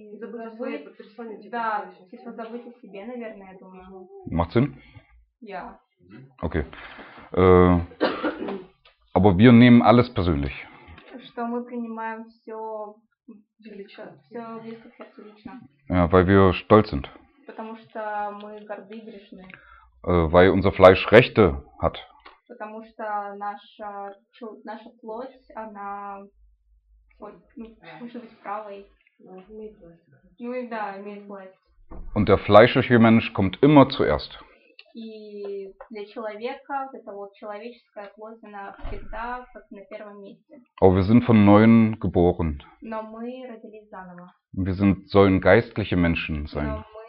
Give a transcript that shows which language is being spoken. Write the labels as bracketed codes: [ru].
[ru] забыть о себе, наверное, я думаю. [de] Macht Sinn? Ja. Okay. Aber wir nehmen alles persönlich. [ru] Что мы принимаем все лично. Все близко к сердцу лично. [de] Ja, weil wir stolz sind. [ru] Потому что мы горды и грешны. [de] Weil unser Fleisch Rechte hat. [ru] Потому что наша плоть, она может быть правой. Ну и да, имеет власть. [de] Und der fleischliche Mensch kommt immer zuerst. [ru] И для человека вот эта вот человеческая плоть, она всегда как на первом месте. [de] Aber wir sind von Neuem geboren. [ru] Но мы родились заново. [de] Wir sollen geistliche Menschen sein.